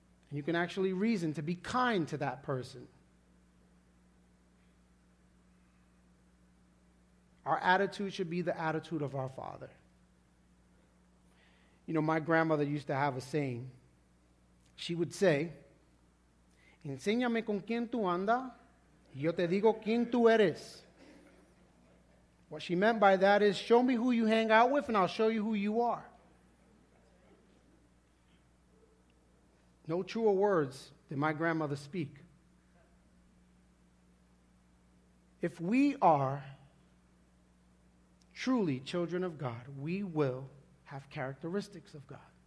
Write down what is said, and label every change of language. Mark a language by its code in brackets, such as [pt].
[en] And you can actually reason to be kind to that person. Our attitude should be the attitude of our Father. You know, my grandmother used to have a saying. She would say, [es] enséñame con quién tú andas, y yo te digo quién tú eres. [en] What she meant by that is, show me who you hang out with, and I'll show you who you are. No truer words did my grandmother speak. If we are truly children of God, we will have characteristics of God.